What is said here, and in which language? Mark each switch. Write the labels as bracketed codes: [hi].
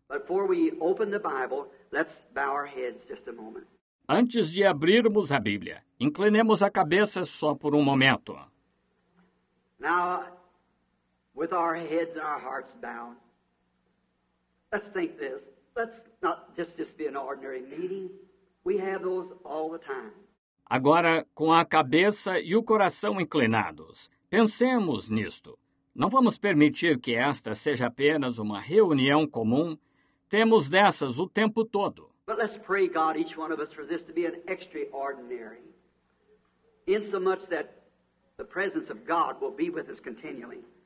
[en] Before we open the Bible, let's bow our heads just a moment. [pt] Antes de abrirmos a Bíblia, inclinemos a cabeça só por um momento. [en] Now, with our heads and our hearts bowed, let's think this. Let's not just be an ordinary meeting. We have those all the time. [pt] Agora, com a cabeça e o coração inclinados, pensemos nisto. Não vamos permitir que esta seja apenas uma reunião comum. Temos dessas o tempo todo. [en] But let's pray, God, each one of us, for this to be an extraordinary, in so much that the presence of God will be with us continually.